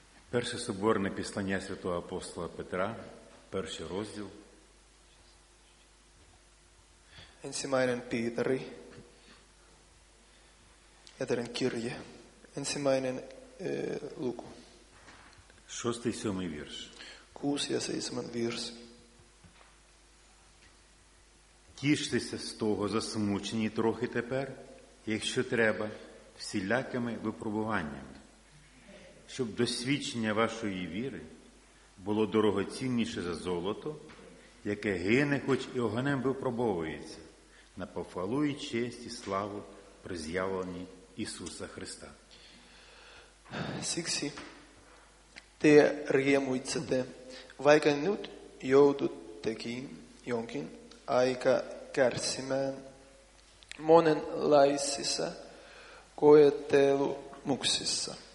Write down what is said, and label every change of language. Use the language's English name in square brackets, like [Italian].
[Ukrainian] Перше соборне післання Святого Апостола Петра, перший розділ. [Finnish] Ensimmäinen Pietari, jäteren kirje, ensimmäinen luku. [Ukrainian] 6-7 вірш. 6-7 вірш. Тіштеся з того, засмучені трохи тепер, якщо треба, всілякими випробуваннями. Щоб досвідчення вашої віри було дорогоцінніше за золото, яке гине, хоч і огнем випробовується, на похвалу і честь і славу при з'явленні Ісуса Христа. [Finnish] Siksi te riemuitsette, vaikka nyt joudutekin jonkin aika kärsimään monenlaisissa koettelumuksissa.